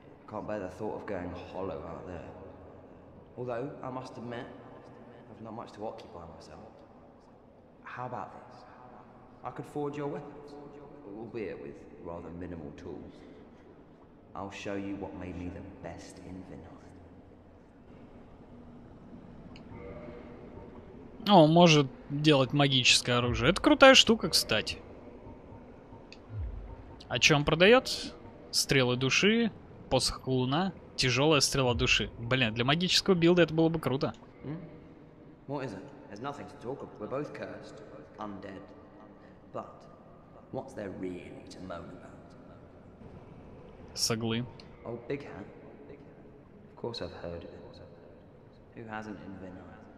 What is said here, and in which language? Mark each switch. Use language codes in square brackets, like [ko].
[en] Can't bear the thought of going hollow out there. Although, I must admit, I've not much to occupy myself. How about this? I could forge your weapons, albeit with rather minimal tools. I'll show you what made me the best in Vinheim. [ru] О, он может делать магическое оружие. Это крутая штука, кстати. А чё он продает? Стрелы души. Посох Луна, тяжелая стрела души. Блин, для магического билда это было бы круто. [en] What is it? There's nothing to talk about. We're both cursed, undead. But what's there really to moan about? [ru] Соглы. [en] Oh, Big Hat. Of course I've heard of it. Who hasn't in Vinheim?